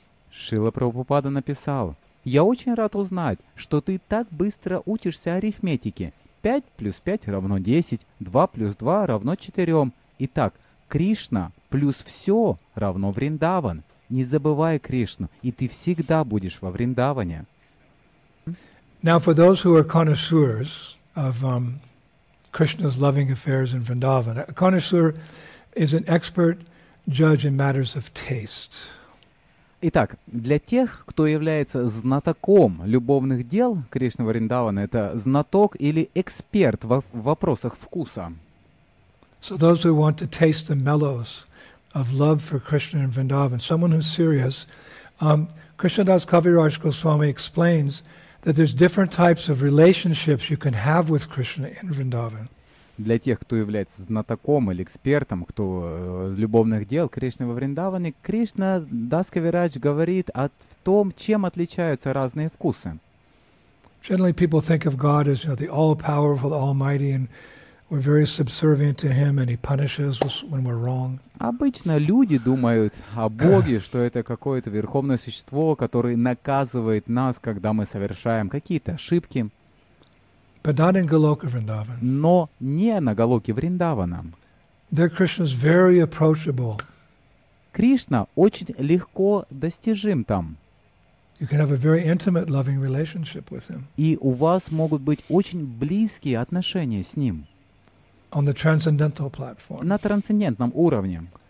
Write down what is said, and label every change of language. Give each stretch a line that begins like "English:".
Russian: Шрила Прабхупада написал: "Я очень рад узнать, что ты так быстро учишься арифметике. 5 плюс 5 равно 10, 2 плюс 2 равно 4. Итак, Кришна плюс все равно Вриндаван. Не забывай Кришну, и ты всегда будешь во Вриндаване."
English: Now for those who are connoisseurs of Krishna's loving affairs in Vrindavan, a connoisseur is an expert judge in matters of taste.
Russian: Итак, для тех, кто является знатоком любовных дел Кришны Вриндавана, это знаток или эксперт в вопросах вкуса.
English: So those who want to taste the mellows of love for Krishna and Vrindavan, someone who's serious, Krishnadas Kaviraj Goswami explains that there's different types of relationships you can have with Krishna in Vrindavan.
Russian: Для тех, кто является знатоком или экспертом, кто любовных дел Кришны во Вриндаване, Кришна Дас Кавирадж говорит о том, чем отличаются разные вкусы.
English: Generally, people think of God as, you know, the all-powerful, almighty, and we're very subservient to Him, and He punishes us when we're wrong.
Russian: Обычно люди думают о Боге, что это какое-то верховное существо, которое наказывает нас, когда мы совершаем какие-то ошибки.
English: But not in Goloka Vrindavan.
Russian: Но не на Голоке Вриндавана.
English: There Krishna is very approachable.
Russian: Кришна очень легко достижим там.
English: You can have a very intimate, loving relationship with Him.
Russian: И у вас могут быть очень близкие отношения с Ним.
English: On the transcendental platform.
Russian: На трансцендентном уровне.